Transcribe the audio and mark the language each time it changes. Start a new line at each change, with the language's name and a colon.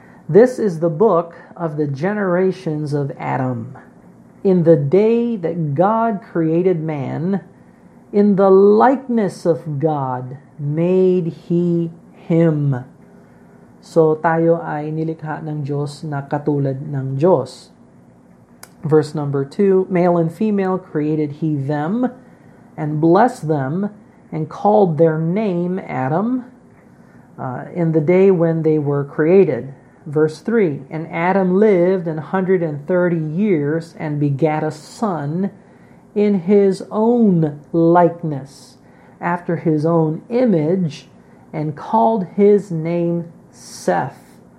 English: This is the book of the generations of Adam. In the day that God created man, in the likeness of God made he him.
Filipino: So tayo ay nilikha ng Diyos na katulad ng Diyos.
English: Verse number 2, male and female created he them and blessed them and called their name Adam in the day when they were created. Verse 3, and Adam lived 130 years and begat a son in his own likeness after his own image and called his name Seth.